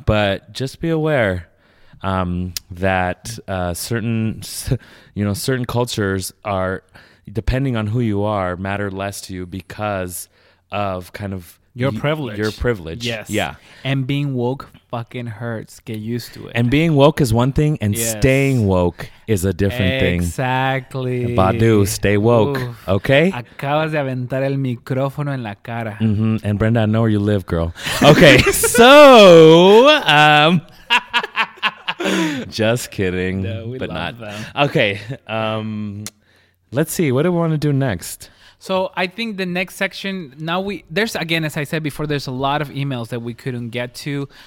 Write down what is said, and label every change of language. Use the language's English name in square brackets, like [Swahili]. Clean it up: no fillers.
[English] But just be aware that certain, you know, certain cultures are, depending on who you are, matter less to you because of kind of your privilege. Yes. Yeah. And being woke fucking hurts. Get used to it. And being woke is one thing, and yes. staying woke is a different thing. Exactly. Badu, stay woke. Oof. Okay? [Spanish] Acabas de aventar el micrófono en la cara. [English] Mm-hmm. And Brenda, I know where you live, girl. Okay. So, just kidding. No, we but love not. Them. Okay. Let's see. What do we want to do next? So I think the next section, as I said before, there's a lot of emails that we couldn't get to.